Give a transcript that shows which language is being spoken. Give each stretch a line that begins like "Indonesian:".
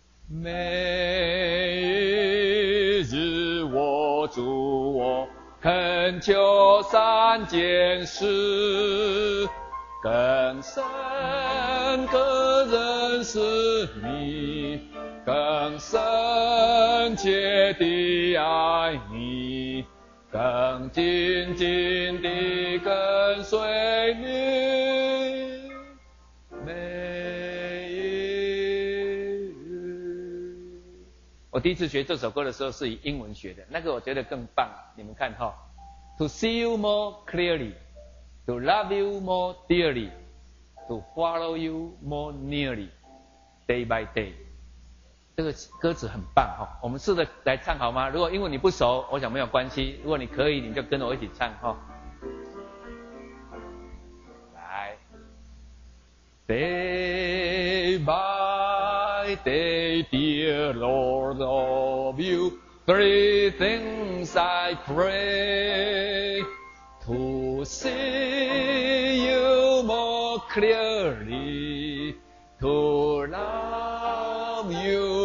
Chinese: 每一日我主，我恳求三件事，更深刻认识你，更深切地爱你，更紧紧地跟随你。每一日，我第一次学这首歌的时候是以英文学的，那个我觉得更棒。你们看哈
English: ，To see you more clearly, to love you more dearly, to follow you more nearly, day by day。
Chinese: 这个歌词很棒哈，我们试着来唱好吗？如果英文你不熟，我想没有关系。如果你可以，你就跟我一起唱哈。
English: 来 ，Day by day, dear Lord of you, three things I pray to see you more clearly, to love you.